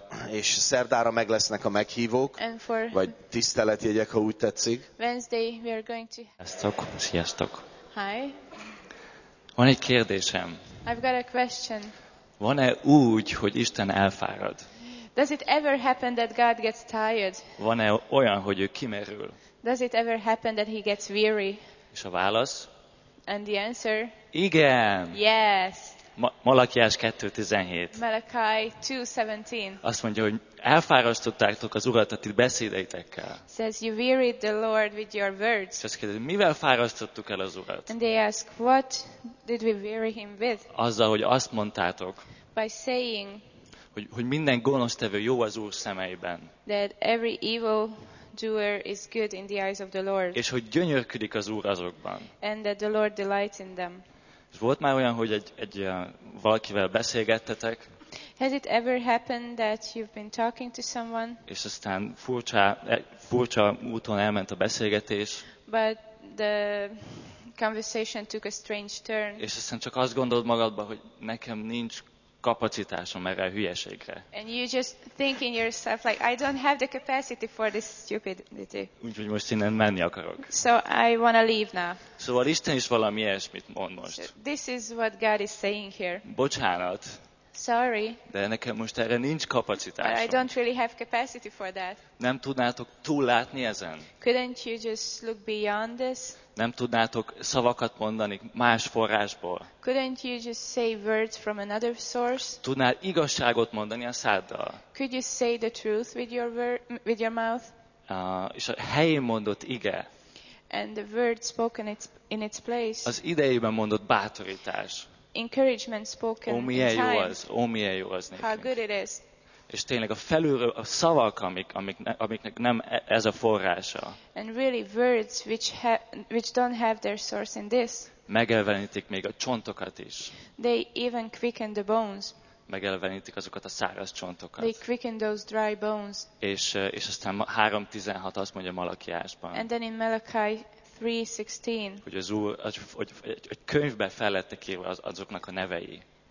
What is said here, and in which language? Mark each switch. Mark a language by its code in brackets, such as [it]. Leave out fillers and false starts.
[hu] És szerdára meg lesznek a meghívók, vagy tiszteletjegyek, ha úgy tetszik. [en] Wednesday we are going to. [hu] Sziasztok. [en] Hi. [hu] Van egy kérdésem. [en] I've got a question. [hu] Van-e úgy, hogy Isten elfárad? [en] Does it ever happen that God gets tired? [hu] Van-e olyan, hogy ő kimerül? [en] Does it ever happen that he gets weary? [hu] És a válasz? [en] And the answer? [hu] Igen. [en] Yes. [hu] Malakiás 2:17. [en] Malachi 2:17. [hu] Azt mondja, hogy elfárasztottátok az Urat a ti beszédeitekkel. [en] Says you wearied the Lord with your words. [hu] És azt kérdezik, mivel fárasztottuk el az Urat? [en] And they ask, what did we weary him with? [hu] Azzal, hogy azt mondtátok. [en] By saying. [hu] Hogy minden gonosztevő jó az Úr szemeiben. [en] That every evil doer is good in the eyes of the Lord. [hu] És hogy gyönyörködik az Úr azokban. [en] And that the Lord delights in them. [hu] És volt már olyan, hogy egy valakivel beszélgettetek? [en] Has it ever happened that you've been talking to someone? [hu] És aztán furcsa úton elment a beszélgetés. [en] But the conversation took a strange turn. [hu] És aztán csak azt gondolod magadban, hogy nekem nincs kapacitásom erre a hülyeségre. [en] And you just think in yourself like I don't have the capacity for this stupidity. [hu] Úgyhogy most innen menni akarok. [en] So I want to leave now. [hu] Szóval Isten is valami ilyesmit mond most. So [en] this is what God is saying here. [hu] Bocsánat. [en] Sorry. [hu] De nekem most erre nincs kapacitásom. [en] I don't really have capacity for that. [hu] Nem tudnátok túllátni ezen? [en] Couldn't you just look beyond this? [hu] Nem tudnátok szavakat mondani más forrásból? [en] Couldn't you just say words from another source? [hu] Tudnál igazságot mondani a száddal? [en] Could you say the truth with your with your mouth? [hu] És a helyén mondott ige. [en] And the word spoken in its place. [hu] Az idejében mondott bátorítás. [en] Encouragement spoken. [hu] Ó, milyen jó az nekünk. [en] How good it is. [hu] És tényleg a felülről a szavak, amiknek nem ez a forrása. [en] And really words which don't have their source in this. [hu] Megelevenítik még a csontokat is. [en] They even quicken the bones. [hu] Megelevenítik azokat a száraz csontokat. [en] They quicken those dry bones. [hu] És aztán 3:16 azt mondja Malakiásban. [en] And then in Malachi 3:16. [hu] Hogy az Úr, hogy könyvbe fel lettek írva azoknak a nevei.